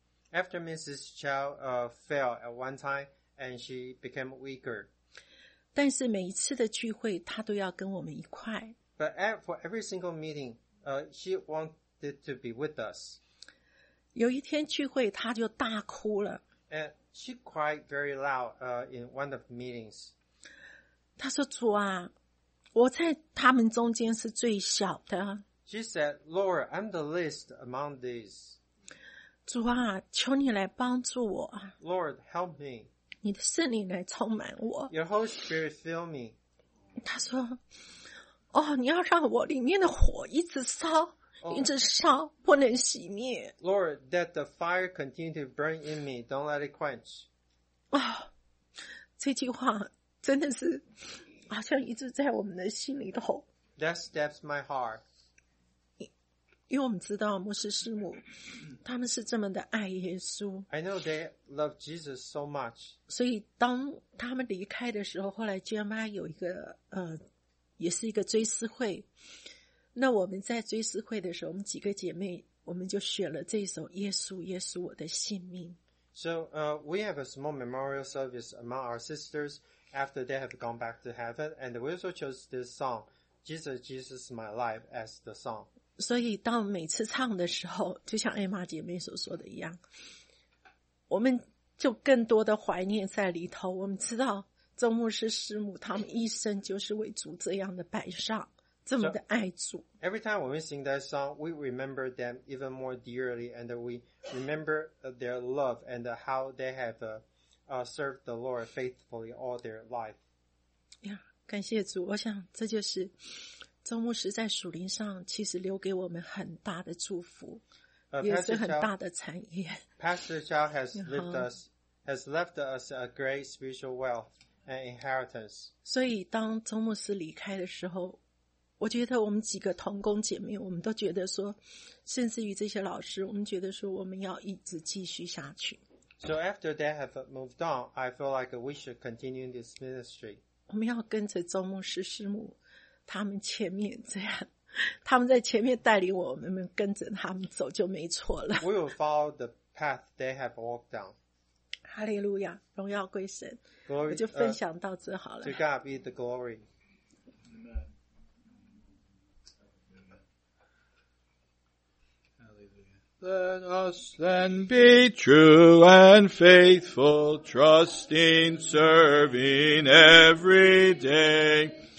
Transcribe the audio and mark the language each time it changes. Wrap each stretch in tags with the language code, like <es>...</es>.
<en>After Mrs. Chow fell at one time and she became weaker.</en> <zh>但是每一次的聚会他都要跟我们一块。</zh> <en>But for every single meeting, she wanted to be with us.</en> <zh>有一天聚会他就大哭了。</zh> <en>And she cried very loud, in one of the meetings.</en> <zh>他说主啊，我在他们中间是最小的。</zh> <en>She said, Lord, I'm the least among these.</en> <zh>主啊，求你来帮助我。</zh> <en>Lord, help me.</en> <zh>你的圣灵来充满我。</zh> <en>Your Holy Spirit fill me.</en> <zh>他说，哦，你要让我里面的火一直烧，一直烧，不能熄灭。</zh> <en>Lord, that the fire continue to burn in me, don't let it quench.</en> <zh>啊，这句话真的是好像一直在我们的心里头。</zh> <en>That steps my heart.</en> <zh>因为我们知道牧师师母他们是这么的爱耶稣。</zh> <en>I know they love Jesus so much.</en> <zh>所以当他们离开的时候，后来 GMI 有一个也是一个追思会。那我们在追思会的时候，我们几个姐妹我们就选了这一首耶稣耶稣我的性命。</zh> <en>So, we have a small memorial service among our sisters after they have gone back to heaven, and we also chose this song, Jesus, Jesus, My Life, as the song.</en> <zh>所以当每次唱的时候，就像艾玛姐妹所说的一样，我们就更多的怀念在里头。我们知道周牧师师母他们一生就是为主这样的摆上，这么的爱主。</zh> <en>So, every time when we sing that song, we remember them even more dearly, and we remember their love and how they have served the Lord faithfully all their life.</en> <zh>Yeah, 感谢主。我想这就是周牧师在属灵上其实留给我们很大的祝福，也是很大的产业。</zh> <en>Pastor Zhao has left us, a great spiritual wealth and inheritance.</en> <zh>所以当周牧师离开的时候，我觉得我们几个同工姐妹，我们都觉得说，甚至于这些老师，我们觉得说我们要一直继续下去。</zh> <en>So after they have moved on, I feel like we should continue this ministry.</en> <zh>我们要跟着周牧师师母他们前面这样，他们在前面带领我们，我们跟着他们走就没错了。</zh> <en>We will follow the path they have walked down.</en> <zh>哈利路亚，荣耀归神。</zh> <en>Glory,</en> <zh>我就分享到这好了。</zh> <en>To God be the glory. Let us then be true and faithful, trusting, serving every day.</en>